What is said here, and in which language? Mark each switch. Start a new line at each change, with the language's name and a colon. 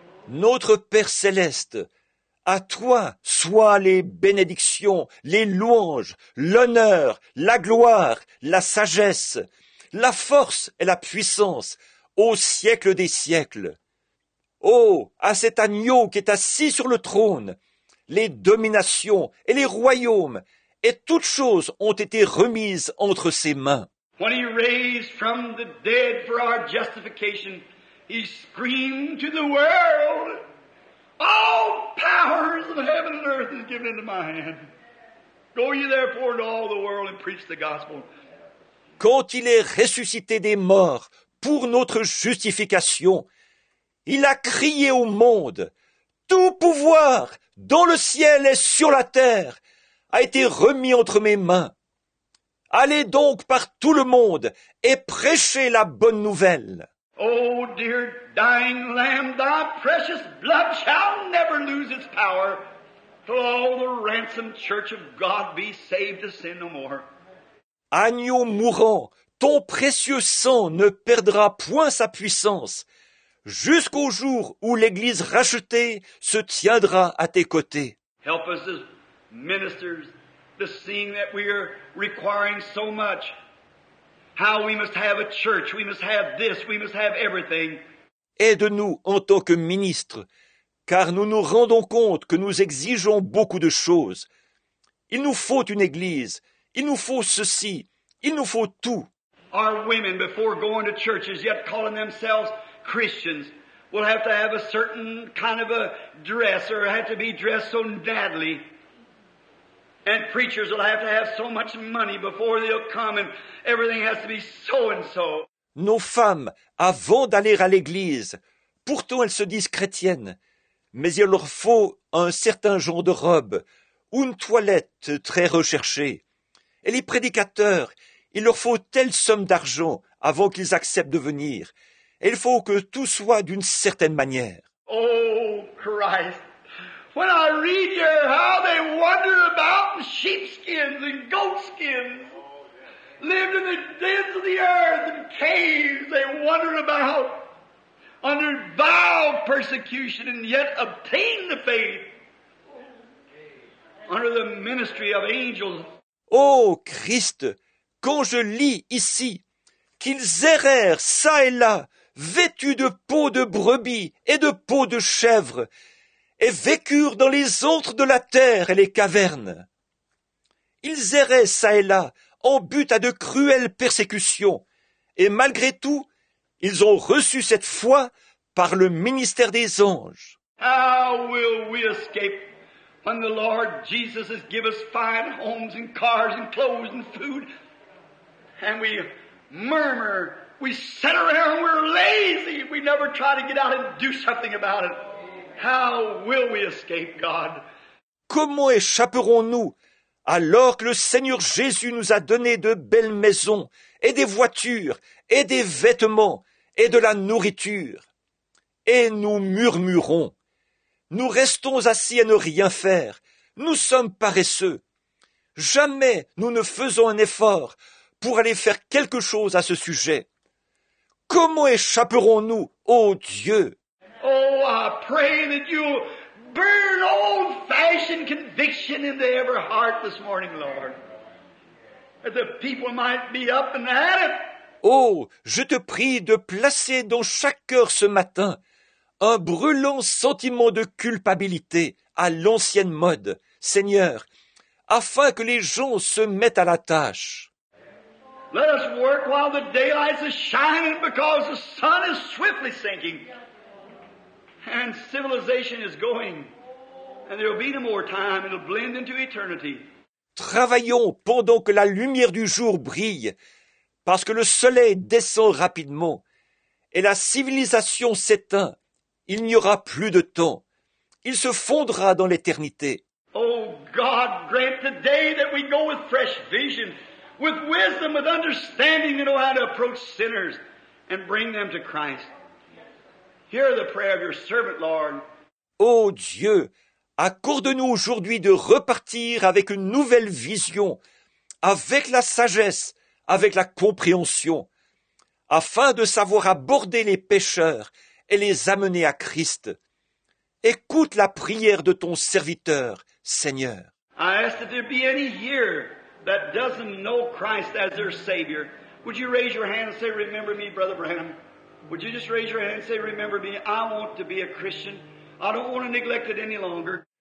French: Notre Père Céleste, à toi soient les bénédictions, les louanges, l'honneur, la gloire, la sagesse, la force et la puissance, au siècle des siècles. Oh, à cet agneau qui est assis sur le trône, les dominations et les royaumes, et toutes choses ont été remises entre ses mains.
English: When he raised from the dead for our justification, he screamed to the world, all powers of heaven and earth is given into my hand. Go ye therefore into all the world and preach the gospel.
French: Quand il est ressuscité des morts pour notre justification, il a crié au monde, tout pouvoir dans le ciel et sur la terre a été remis entre mes mains. Allez donc par tout le monde et prêchez la bonne nouvelle.
English: Oh, dear dying Lamb, thy precious blood shall never lose its power till all the ransomed church of God be saved to sin no more.
French: Agneau mourant, ton précieux sang ne perdra point sa puissance jusqu'au jour où l'Église rachetée se tiendra à tes côtés.
English: Help us as ministers to see that we are requiring so much. How we must have a church, we must have this, we must have everything.
French: Aide-nous en tant que ministre, car nous nous rendons compte que nous exigeons beaucoup de choses. Il nous faut une église, il nous faut ceci, il nous faut tout.
English: Our women, before going to churches, yet calling themselves Christians, will have to have a certain kind of a dress, or have to be dressed so badly. And preachers will have to have so much money before they'll come, and everything has to be so and so.
French: Nos femmes, avant d'aller à l'église, pourtant elles se disent chrétiennes, mais il leur faut un certain genre de robe ou une toilette très recherchée. Et les prédicateurs, il leur faut telle somme d'argent avant qu'ils acceptent de venir. Et il faut que tout soit d'une certaine manière.
English: Oh, Christ! When I read you how they wander about in sheepskins and goatskins, lived in the dens of the earth and caves, they wandered about under vile persecution and yet obtained the faith under the ministry of angels.
French: Oh Christ, quand je lis ici qu'ils errèrent ça et là, vêtus de peau de brebis et de peau de chèvre, et vécurent dans les antres de la terre et les cavernes. Ils erraient çà et là en butte à de cruelles persécutions, et malgré tout, ils ont reçu cette foi par le ministère des anges.
English: How will we escape when the Lord Jesus has given us fine homes and cars and clothes and food, and we murmur, we sit around, we're lazy, we never try to get out and do something about it. How will we escape, God?
French: Comment échapperons-nous alors que le Seigneur Jésus nous a donné de belles maisons et des voitures et des vêtements et de la nourriture? Et nous murmurons. Nous restons assis à ne rien faire. Nous sommes paresseux. Jamais nous ne faisons un effort pour aller faire quelque chose à ce sujet. Comment échapperons-nous, ô Dieu?
English: Oh, I pray that you burn old-fashioned conviction into every heart this morning, Lord, that the people might be up and at it.
French: Oh, je te prie de placer dans chaque cœur ce matin un brûlant sentiment de culpabilité à l'ancienne mode, Seigneur, afin que les gens se mettent à la tâche.
English: Let us work while the daylight is shining, because the sun is swiftly sinking. And civilization is going, and there will be no more time, it'll blend into eternity.
French: Travaillons pendant que la lumière du jour brille, parce que le soleil descend rapidement, et la civilisation s'éteint, il n'y aura plus de temps, il se fondra dans l'éternité.
English: Oh God, grant today that we go with fresh vision, with wisdom, with understanding, to know how to approach sinners and bring them to Christ. Hear the prayer of your servant, Lord.
French: Ô Dieu, accorde-nous aujourd'hui de repartir avec une nouvelle vision, avec la sagesse, avec la compréhension, afin de savoir aborder les pécheurs et les amener à Christ. Écoute la prière de ton serviteur, Seigneur.
English: I ask that there be any here that doesn't know Christ as their Savior. Would you raise your hand and say, "Remember me, Brother Branham"? Would you just raise your hand and say, "Remember me, I want to be a Christian. I don't want to neglect it any longer."